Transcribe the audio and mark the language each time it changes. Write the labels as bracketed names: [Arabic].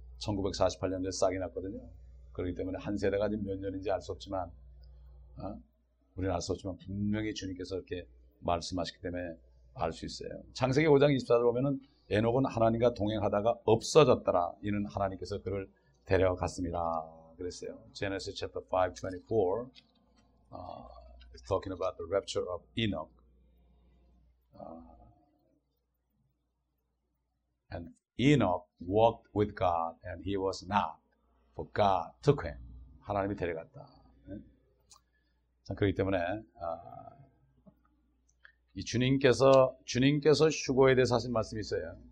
[Korean] 1948년도에 싹이 났거든요. 그렇기 때문에 한 세대가 지금 몇 년인지 알 수 없지만, 우리는 알 수 없지만, 분명히 주님께서 이렇게 말씀하시기 때문에 알 수 있어요. 창세기 5장 24절 보면은, 에녹은 하나님과 동행하다가 없어졌더라. 이는 하나님께서 그를 데려갔습니다. 그랬어요. [English] Genesis chapter 5:24 is talking about the rapture of Enoch. And Enoch walked with God and he was not, for God took him. [Korean] 하나님이 데려갔다. 네? 그렇기 때문에 이 주님께서 휴거에 대해서 하신 말씀이 있어요.